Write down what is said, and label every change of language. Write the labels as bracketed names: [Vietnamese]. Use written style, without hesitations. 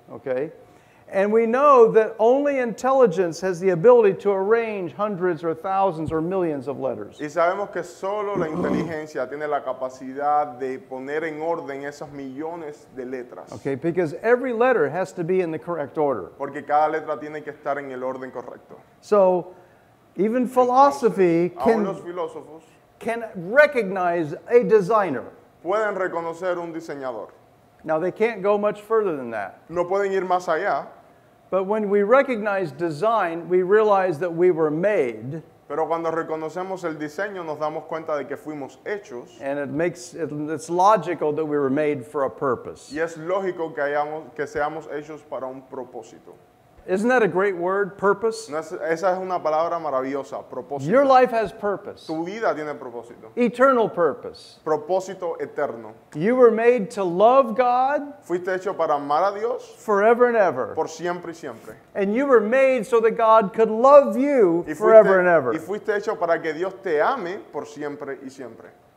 [English] Okay. And we know that only intelligence has the ability to arrange hundreds or thousands or millions of letters. [Spanish] Y sabemos que solo la inteligencia tiene la capacidad de poner en orden esas millones de letras. [English] Okay, because every letter has to be in the correct order. [Spanish] Porque cada letra tiene que estar en el orden correcto. [English] So, even philosophy [Spanish] entonces, [English] can, [Spanish] aún los filósofos [English] can recognize a designer. [Spanish] Pueden reconocer un diseñador. [English] Now they can't go much further than that. [Spanish] No pueden ir más allá. [English] But when we recognize design, we realize that we were made. [Spanish] Pero cuando reconocemos el diseño, nos damos cuenta de que fuimos hechos. [English] And it's logical that we were made for a purpose. [Spanish] Y es lógico que hayamos, que seamos hechos para un propósito. [English] Isn't that a great word, purpose? [Spanish] Esa es una palabra maravillosa, propósito. [English] Your life has purpose. [Spanish] Tu vida tiene propósito. [English] Eternal purpose. [Spanish] Propósito eterno. [English] You were made to love God. [Spanish] Fuiste hecho para amar a Dios. [English] Forever and ever. [Spanish] Por siempre y siempre. [English] And you were made so that God could love you forever and ever. [Spanish] Y fuiste hecho para que Dios te ame por siempre y siempre.